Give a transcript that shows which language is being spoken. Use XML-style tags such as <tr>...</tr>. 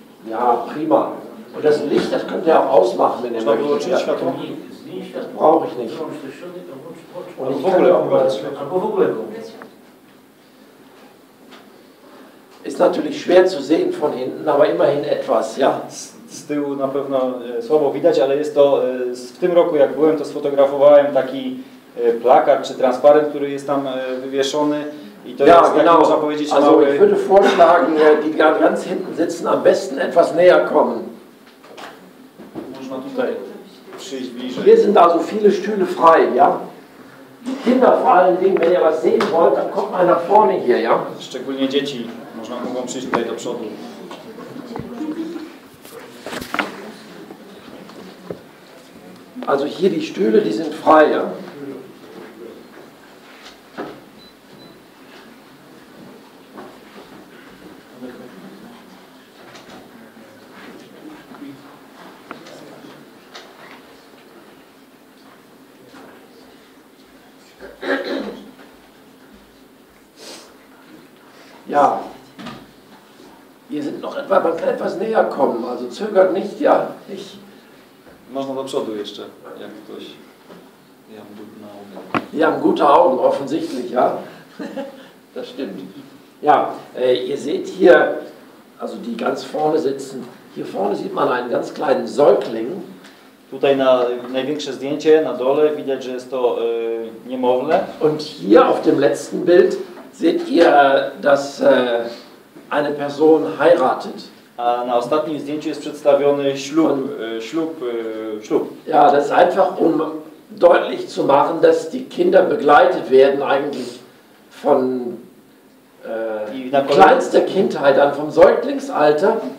<de>Ja, prima. Und das Licht, das könnt ihr auch ausmachen, wenn ihr möchtet. Das brauche ich nicht. Und ich kann auch mal... Ist natürlich schwer zu sehen von hinten, aber immerhin etwas, ja?</de> <pl>Z tyłu na pewno słabo widać, ale jest to, w tym roku jak byłem, to sfotografowałem taki plakat czy transparent, który jest tam wywieszony i to</pl> <de>ja,</de> <pl>jest</pl> <de>genau.</de> <pl>Taki, można powiedzieć,</pl> <de>also,</de> <pl>mały...</pl> <de>Ich würde vorschlagen, die da ganz hinten sitzen, am besten etwas näher kommen.</de> <pl>Można tutaj przyjść bliżej.</pl> <de>Hier sind also viele Stühle frei, ja? Kinder vor allen Dingen, wenn ihr was sehen wollt, dann kommt mal nach vorne hier, ja?</de> <pl>Szczególnie dzieci można, mogą przyjść tutaj do przodu.</pl> <de>Also hier die Stühle, die sind frei, ja? Ja, wir sind noch etwas näher kommen, also zögert nicht, ja? Ich</de> <pl>Można do przodu jeszcze, jak ktoś.</pl> <de>Die haben gute Augen. Die haben gute Augen, offensichtlich, ja. Das stimmt. Ja, ihr seht hier, also die ganz vorne sitzen. Hier vorne sieht man einen ganz kleinen Säugling.</de> <pl>Tutaj na największe zdjęcie na dole widać, że jest to niemowlę.</pl> <de>Und hier auf dem letzten Bild seht ihr, dass eine Person heiratet.</de> <pl>A na ostatnim zdjęciu jest przedstawiony ślub, ślub.</pl> <de>Ja, das ist einfach um deutlich zu machen, dass die Kinder begleitet werden eigentlich von kleinster Kindheit an, vom Säuglingsalter.</de>